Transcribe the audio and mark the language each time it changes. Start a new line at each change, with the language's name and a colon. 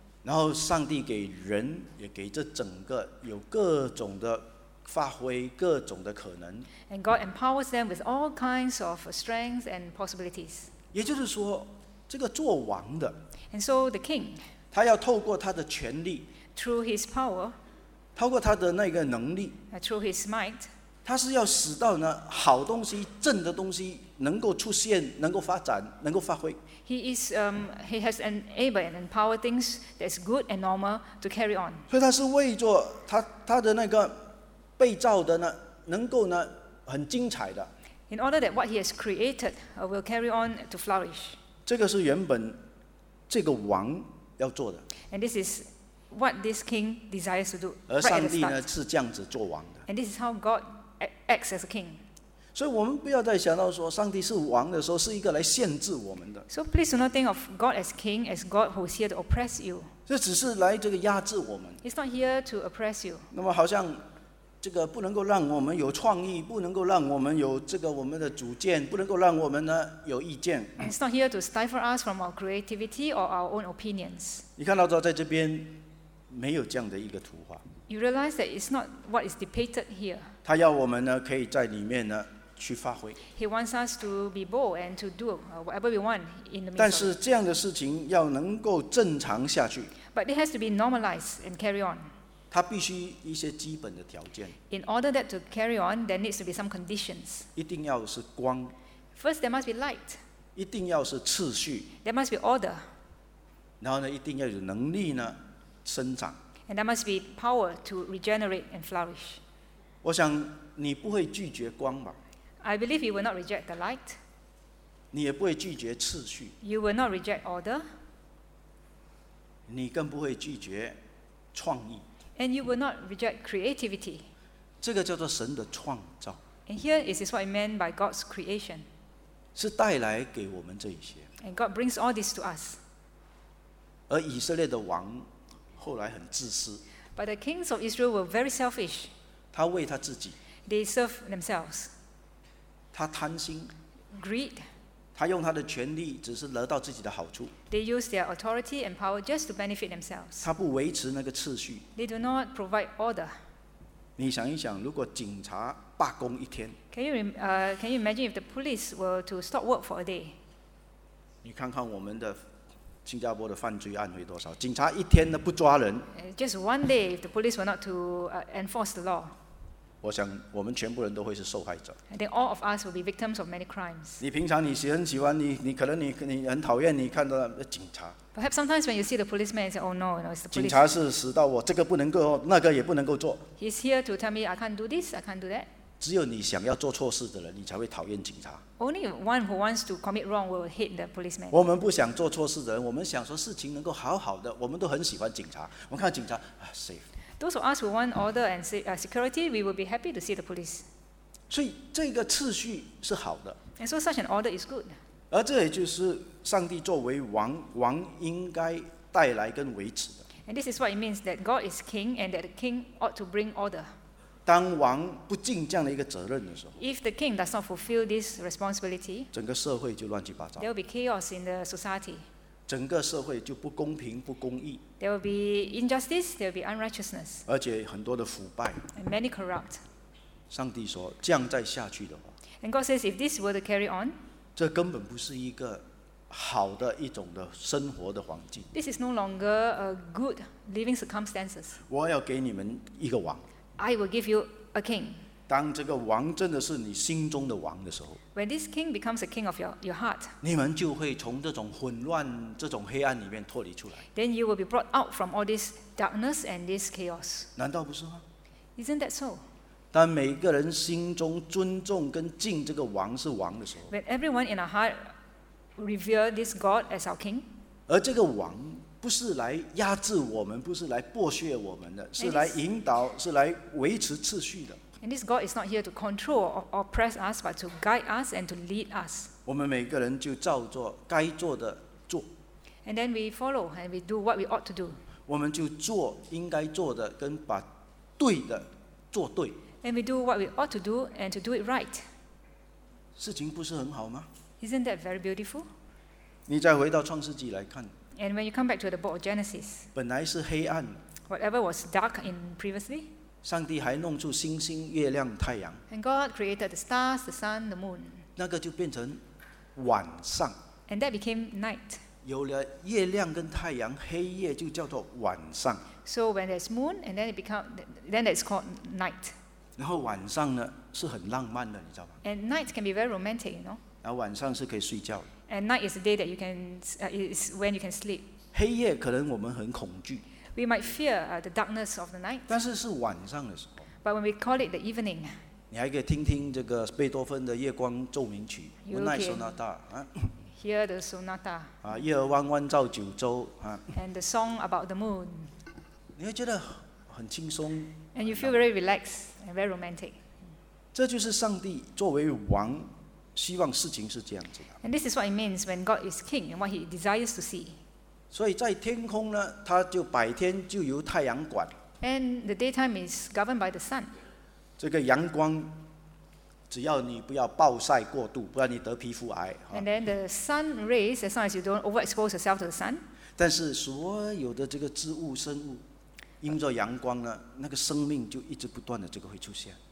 Chinese: 然后上帝给人也给这整个有各种的发挥各种的可能。
English: And God empowers them with all kinds of strengths and possibilities.
Chinese: 也就是说，这个做王的。
English: And so the king.
Chinese: 他要透过他的权力
English: through his power,
Chinese: 透过他的那个能力
English: through his might,
Chinese: 他是要使到呢好东西正的东西能够出现能够发展能够发挥
English: he has enabled and empowered things that's good and normal to carry on
Chinese: 所以他是为着 他的那个被造的呢能够呢很精彩的
English: in order that what he has created will carry on to flourish.
Chinese: 这个是原本这个王要做的。
English: And this is what this king desires to do.
Chinese: 而上帝呢是这样子做王的。
English: And this is how God acts as a king.
Chinese: 所以我们不要再想到说上帝是王的时候是一个来限制我们的。
English: So please do not think of God as king, as God who is here to oppress you.
Chinese: 这只是来这个压制我们。
English: He's not here to oppress you.
Chinese: 那么好像这个不能够让我们有创意，不能够让我们有这个我们的主见，不能够让我们呢有意见。
English: It's not here to stifle us from our creativity or our own opinions.
Chinese: 你看到在这边没有这样的一个图画。
English: You realize that it's not what is depicted here.
Chinese: 他要我们呢可以在里面呢去发挥。
English: He wants us to be bold and to do whatever we want in the.
Chinese: 但是这样的事情要能够正常下去。
English: But it has to be normalized and carry on.
Chinese: 他必须一些基本的条件。
English: In order that to carry on, there needs to be some conditions.
Chinese: 一定要是光。
English: First, there must be light.
Chinese: 一定要是次序。
English: There must be order.
Chinese: 然后呢，一定要有能力呢，生长。
English: And there must be power to regenerate and flourish.
Chinese: 我想你不会拒绝光吧
English: ？I believe you will not reject the light.
Chinese: 你也不会拒绝次序。
English: You will not reject order.
Chinese: 你更不会拒绝创意。
English: And you will not reject creativity.
Chinese: 这个叫做神的创造。
English: And here is what it meant by God's creation.
Chinese: 是带来给我们这一些。
English: And God brings all this to us.
Chinese: 而以色列的王后来很自私。
English: But the kings of Israel were very selfish.
Chinese: 他为他自己。
English: They serve themselves.
Chinese: 他贪心。
English: Greed.
Chinese: 他用他的权力只是得到自己的好处。
English: They use their authority and power just to benefit themselves.
Chinese: 他不维持那个秩序。
English: They do not provide order.
Chinese: 你想一想，如果警察罢工一天。
English: Can you imagine if the police were to stop work for a day?
Chinese: 你看看我们的新加坡的犯罪案会多少？警察一天都不抓人。
English: Just one day, if the police were not to enforce the law.
Chinese: 我想我们全部人都会是受害者。
English: I think all of us will be victims of many crimes.
Chinese: 你平常你很喜欢你可能你很讨厌你看到警察。
English: Perhaps sometimes when you see the policeman, you say, "Oh no, it's the police."
Chinese: 警察是使到我这个不能够，那个也不能够做。
English: He's here to tell me, "I can't do this, I can't do that."
Chinese: 只有你想要做错事的人，你才会讨厌警察。
English: Only one who wants to commit wrong will hate the policeman.
Chinese: 我们不想做错事的人，我们想说事情能够好好的，我们都很喜欢警察。我们看警察啊 ，
English: safe。 Those of us who want order and security, we will be happy to see the police.
Chinese: 所以这个秩序是好的。
English: And so such an order is good.
Chinese: 而这也就是上帝作为王，王应该带来跟维持的。
English: And this is what it means that God is king and that the king ought to bring order.
Chinese: 当王不尽这样的一个责任的时候
English: ，If the king does not fulfill this responsibility,
Chinese: 整个社会就乱七八糟。
English: There will be chaos in the society.
Chinese: 整个社会就不公平不公义
English: There will be injustice, there will be unrighteousness.
Chinese: 而且很多的腐败
English: And many corrupt.
Chinese: 上帝说这样再下去的话
English: And God says if this were to carry on,
Chinese: 这根本不是一个好的一种的生活的环境
English: This is no longer a good living circumstances.
Chinese: 我要给你们一个王
English: I will give you a king.
Chinese: 当这个王真的是你心中的王的时候
English: When this king becomes a king of your heart,
Chinese: 你们就会从这种混乱、这种黑暗里面脱离出来。
English: Then you will be brought out from all this darkness and this chaos.
Chinese: 难道不是吗
English: ？Isn't that so?
Chinese: 当每个人心中尊重跟敬这个王是王的时候
English: ，When everyone in our heart revere this God as our king,
Chinese: 而这个王不是来压制我们，不是来剥削我们的，是来引导，是来维持秩序的。
English: And this God is not here to control or oppress us, but to guide us and to lead us.
Chinese: 我们每个人就照做该做的做。
English: And then we follow and we do what we ought to do.
Chinese: 我们就做应该做的，跟把对的做对。
English: And we do what we ought to do and to do it right.
Chinese: 事情不是很好吗
English: ？Isn't that very beautiful?
Chinese: 你再回到创世纪来看。
English: And when you come back to the book of Genesis.
Chinese: 本来是黑暗。
English: Whatever was dark in previously.
Chinese: 上帝还弄出星星、月亮、太阳。
English: And God created the stars, the sun, the moon.
Chinese: 那个就变成晚上。
English: And that became night.
Chinese: 有了月亮跟太阳，黑夜就叫做晚上。
English: So when there's moon, and then it become, then it's called night.
Chinese: 然后晚上呢是很浪漫的，你知道吗
English: ？And night can be very romantic, you know.
Chinese: 然后晚上是可以睡觉。
English: And night is the day that you can, is when you can sleep.
Chinese: 黑夜可能我们很恐惧。
English: We might fear the darkness of the night.
Chinese: 但是是晚上的时候。
English: But when we call it the evening,
Chinese: 你还可以听听这个贝多芬的夜光奏鸣曲无奈索纳塔
English: Hear the sonata
Chinese: 啊，夜儿弯弯照九州啊
English: And the song about the moon
Chinese: 你会觉得很轻松
English: And you feel very relaxed and very romantic
Chinese: 这就是上帝作为王希望事情是这样子的
English: And this is what it means when God is king and what he desires to see
Chinese: 所以在天空呢他就白天就由太阳管
English: And the daytime is governed by the sun
Chinese: 这个阳光只要你不要暴晒过度不然你得皮肤癌
English: and then the sun rays as long as you don't overexpose yourself to the sun
Chinese: 但是所有的这个植物生物因着阳光呢那个生命就一直不断的这个会出现